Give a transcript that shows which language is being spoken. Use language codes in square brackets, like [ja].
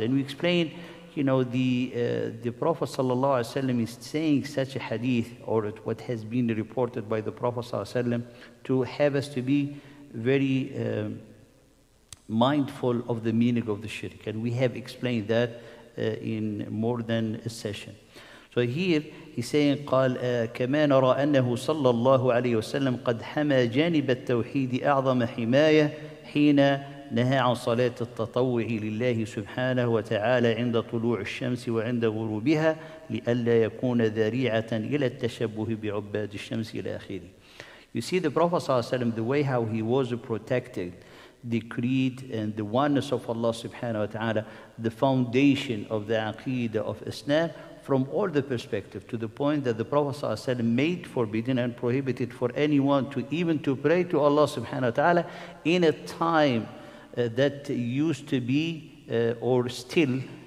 [en] And we explained, you know, the Prophet sallallahu alaihi wasallam is saying such a hadith, or what has been reported by the Prophet sallallahu alaihi wasallam, to have us to be very mindful of the meaning of the shirk, and we have explained that in more than a session. So here he's saying, [ar] "قال كما نرى أنه صلى الله عليه وسلم قد حمى جانب التوحيد أعظم حماية حين نهى عن صلاة التطوع لله سبحانه وتعالى عند طلوع الشمس وعند غروبها لئلا يكون ذريعة إلى التشبه بعباد الشمس إلى آخره." [en] You see the Prophet صلى الله عليه وسلم, the way how he was protected, the creed and the oneness of Allah subhanahu wa ta'ala, the foundation of the aqidah of Islam, from all the perspective, to the point that the Prophet صلى الله عليه وسلم made forbidden and prohibited for anyone to even to pray to Allah subhanahu wa ta'ala in a time that used to be or still